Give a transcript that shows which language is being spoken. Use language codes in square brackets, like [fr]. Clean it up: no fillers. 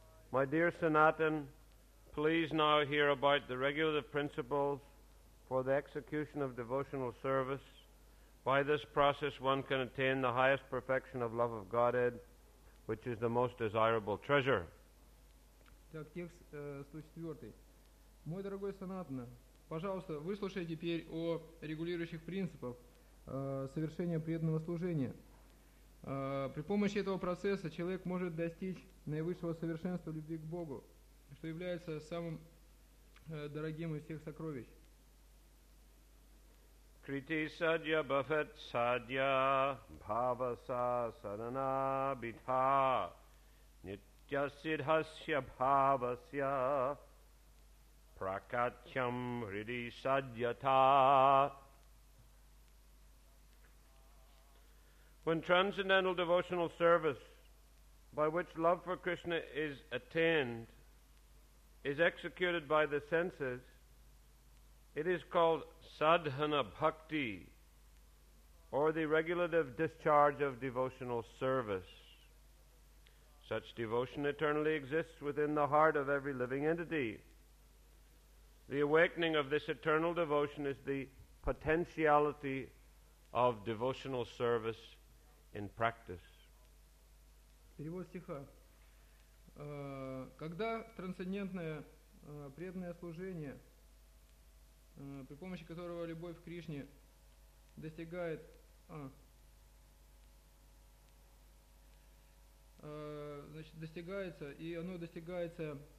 [en] My dear Sanatan, please now hear about the regulative principles for the execution of devotional service. By this process, one can attain the highest perfection of love of Godhead, which is the most desirable treasure. [ru] Так, текст 104. Мой дорогой Санатана, пожалуйста, выслушай теперь о регулирующих принципах совершения преданного служения. При помощи этого процесса человек может достичь наивысшего совершенства любви к Богу, что является самым дорогим из всех сокровищ. [sa] Крити садья бафет садья бхаваса садана битха нитья сидхасья бхавасья пракатьям хриди садьята. [en] When transcendental devotional service, by which love for Krishna is attained, is executed by the senses, it is called sadhana bhakti, or the regulative discharge of devotional service. Such devotion eternally exists within the heart of every living entity. The awakening of this eternal devotion is the potentiality of devotional service in practice. [ru] Когда трансцендентное преданное служение, при помощи которого любовь к Кришне достигает... значит, достигается, и оно достигается...